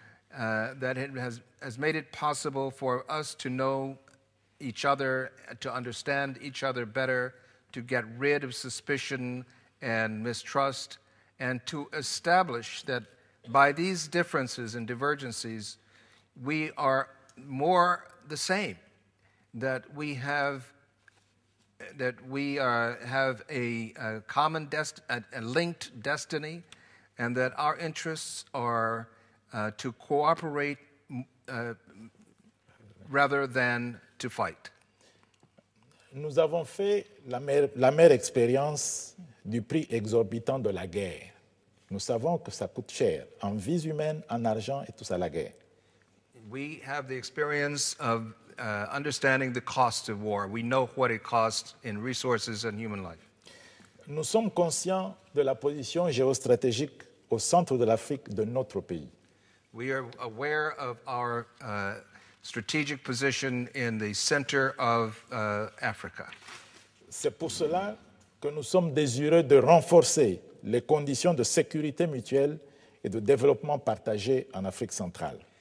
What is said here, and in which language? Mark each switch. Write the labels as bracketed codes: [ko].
[en] That it has made it possible for us to know each other, to understand each other better, to get rid of suspicion and mistrust, and to establish that by these differences and divergences, we are more the same, that we have a linked destiny, and that our interests are to cooperate rather than to fight. [fr] Nous avons fait la mère expérience du prix exorbitant de la guerre. Nous savons que ça coûte cher, en vies humaines, en argent et tout ça, la guerre. [en] We have the experience of understanding the cost of war. We know what it costs in resources and human life. [fr] Nous sommes conscients de la position géostratégique au centre de l'Afrique de notre pays. [en] We are aware of our strategic position in the center of Africa. [fr] C'est pour cela que nous sommes désireux de renforcer les conditions de sécurité mutuelle et de développement partagé en Afrique centrale.